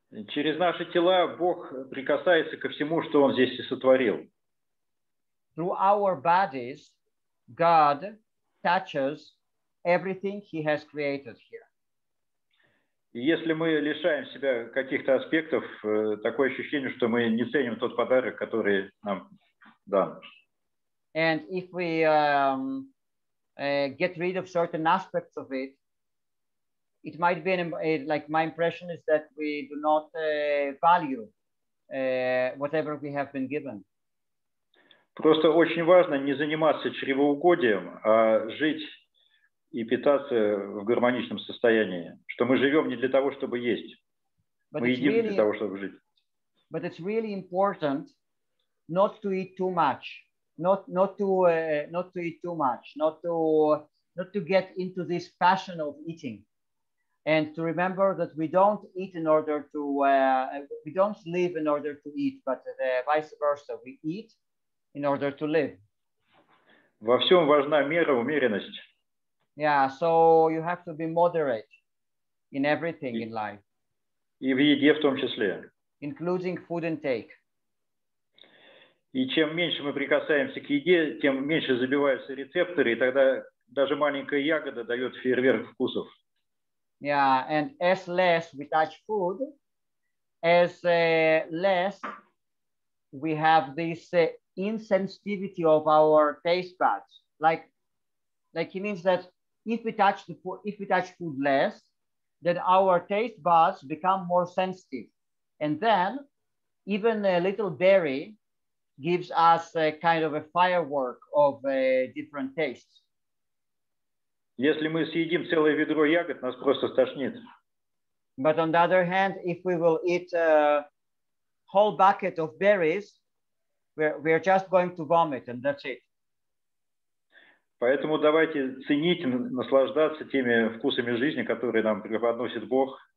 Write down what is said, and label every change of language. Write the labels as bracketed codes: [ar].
[ru] Через наши тела Бог прикасается ко всему, что Он здесь и сотворил. [en] Through our bodies, God touches everything He has created here. [ru] И если мы лишаем себя каких-то аспектов, такое ощущение, что мы не ценим тот подарок, который нам дан. [en] And if we get rid of certain aspects of it, it might be like my impression is that we do not value whatever we have been given. [ru] Просто очень важно не заниматься чревоугодием, а жить и питаться в гармоничном состоянии, что мы живем не для того, чтобы есть. Мы едим не для того, чтобы жить. [en] But it's really important not to eat too much, not to get into this passion of eating, and to remember that we don't eat in order to, we don't live in order to eat, but the vice versa, we eat in order to live. [ru] Во всем важна мера, умеренность. [en] Yeah, so you have to be moderate in everything in life. [ru] И в еде в том числе. [en] Including food intake. [ru] И чем меньше мы прикасаемся к еде, тем меньше забиваются рецепторы, и тогда даже маленькая ягода дает фейерверк вкусов. [en] Yeah, and as less we touch food, as less we have this insensitivity of our taste buds. Like it means that if we touch food less, then our taste buds become more sensitive, and then even a little berry gives us a kind of a firework of different tastes. [ru] Если мы съедим целое ведро ягод, нас просто стошнит. [en] But on the other hand, if we will eat a whole bucket of berries, we're just going to vomit, and that's it. [ru] Поэтому давайте ценить, наслаждаться теми вкусами жизни, которые нам преподносит Бог.